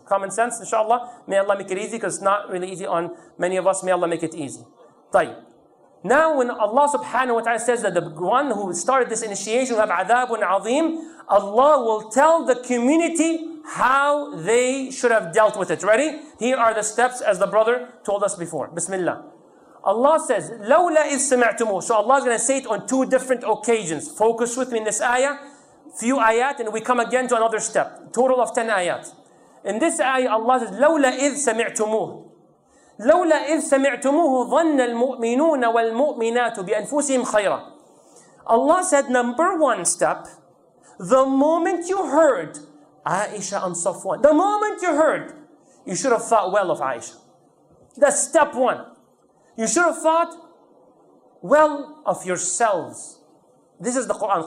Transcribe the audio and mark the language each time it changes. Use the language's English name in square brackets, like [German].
[English] Common sense, inshallah. May Allah make it easy, because it's not really easy on many of us. May Allah make it easy. Tayyib. Now when Allah subhanahu wa ta'ala says that the one who started this initiation will have adabun azim, Allah will tell the community how they should have dealt with it. Ready? Here are the steps as the brother told us before. Bismillah. Allah says, [Arabic] لَوْلَا إِذْ سَمِعْتُمُهُ. [English] So Allah is going to say it on two different occasions. Focus with me in this ayah. Few ayat, and we come again to another step. Total of 10 ayat. In this ayah, Allah says, [Arabic] لَوْلَا إِذْ سَمِعْتُمُهُ. لولا إذ سمعتموه ظن المؤمنون والمؤمنات بأنفسهم خيرا. [English] Allah said, number one step, the moment you heard Aisha and Safwan, the moment you heard, you should have thought well of Aisha. That's step one. You should have thought well of yourselves. This is the Quran.